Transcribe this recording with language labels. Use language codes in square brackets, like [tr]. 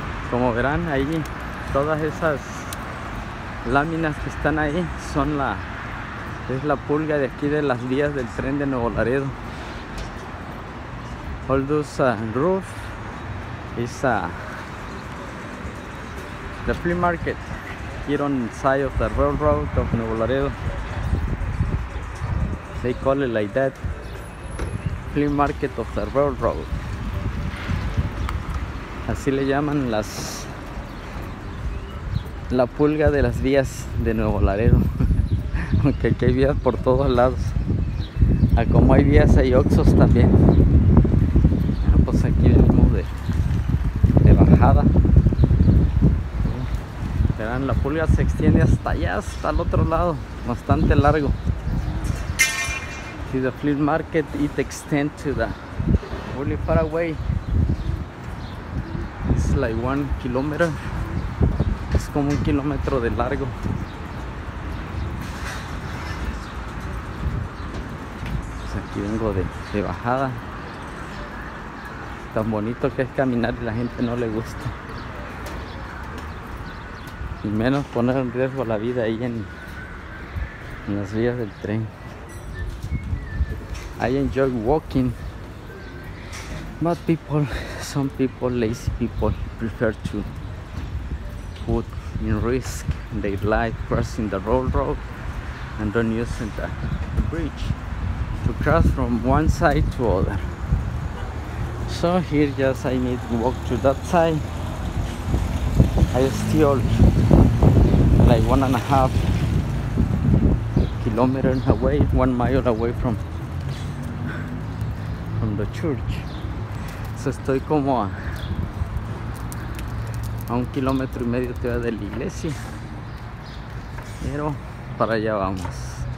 [es] Como verán ahí, todas esas láminas que están ahí son es la pulga de aquí de las vías del tren de Nuevo Laredo. [en] All those roof is the flea market here on side of the railroad of Nuevo Laredo. They call it like that, flea market of the railroad. [es] Así le llaman la pulga de las vías de Nuevo Laredo. Aunque aquí hay vías por todos lados. A como hay vías, hay oxos también. Pues aquí venimos de bajada. Verán, la pulga se extiende hasta allá, hasta el otro lado, bastante largo. [en] See the flea market, it extends to the really far away. It's like 1 kilometer. [es] Es como 1 kilómetro de largo. Pues aquí vengo de bajada. Tan bonito que es caminar y la gente no le gusta. Y menos poner en riesgo la vida ahí en las vías del tren. [en] I enjoy walking, but some people, lazy people, prefer to put in risk their life crossing the railroad and don't use the bridge to cross from one side to other. So here just I need to walk to that side. I still like 1.5 kilometers away, 1 mile away from the church. [es] So estoy como a 1.5 kilómetros de la iglesia. Pero para allá vamos.